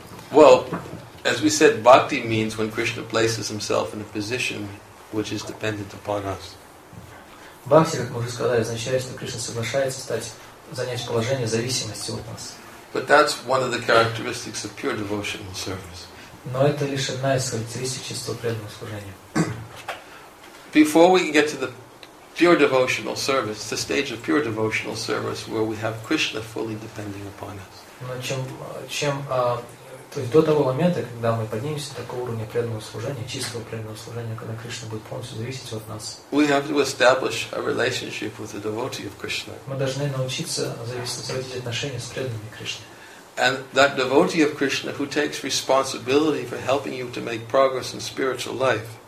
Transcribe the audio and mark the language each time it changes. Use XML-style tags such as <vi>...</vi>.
<en>Well, as we said, bhakti means when Krishna places himself in a position which is dependent upon us.</en> <ru>Бхакти, как мы уже сказали, означает, что Кришна соглашается занять положение зависимости от нас.</ru> <en>But that's one of the characteristics of pure devotional service.</en> <ru>Но это лишь одна из характеристик чистого преданного служения.</ru> <en>Before we get to the pure devotional service, the stage of pure devotional service where we have Krishna fully depending upon us.</en> <ru>Но то есть до того момента, когда мы поднимемся до такого уровня преданного служения, чистого преданного служения, когда Кришна будет полностью зависеть от нас,</ru> <en>we have to establish a relationship with the devotee of Krishna.</en> <ru>Мы должны научиться заводить отношения с преданными Кришны.</ru> <en>And that devotee of Krishna who takes responsibility for helping you to make progress in spiritual life.</en>